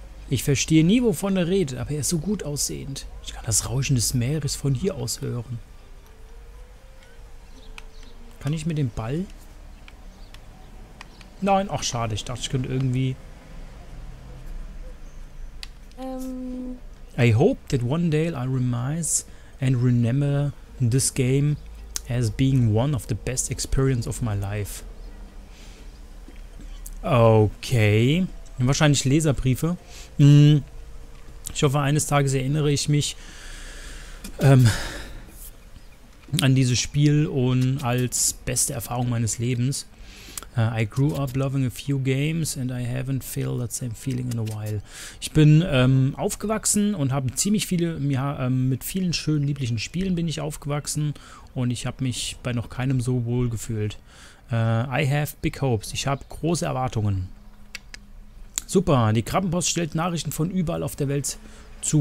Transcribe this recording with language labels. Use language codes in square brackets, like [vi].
[de] Ich verstehe nie, wovon er redet. Aber er ist so gut aussehend. Ich kann das Rauschen des Meeres von hier aus hören. Kann ich mit dem Ball? Nein, ach schade. Ich dachte, ich könnte irgendwie... [en] I hope that one day I remise and remember this game as being one of the best experience of my life. Okay. [de] Wahrscheinlich Leserbriefe. Ich hoffe, eines Tages erinnere ich mich an dieses Spiel und als beste Erfahrung meines Lebens. [en] I grew up loving a few games and I haven't felt that same feeling in a while. [de] Ich bin aufgewachsen und habe ziemlich viele, ja, mit vielen schönen, lieblichen Spielen bin ich aufgewachsen und ich habe mich bei noch keinem so wohl gefühlt. [en] I have big hopes. [de] Ich habe große Erwartungen. Super, die Krabbenpost stellt Nachrichten von überall auf der Welt zu.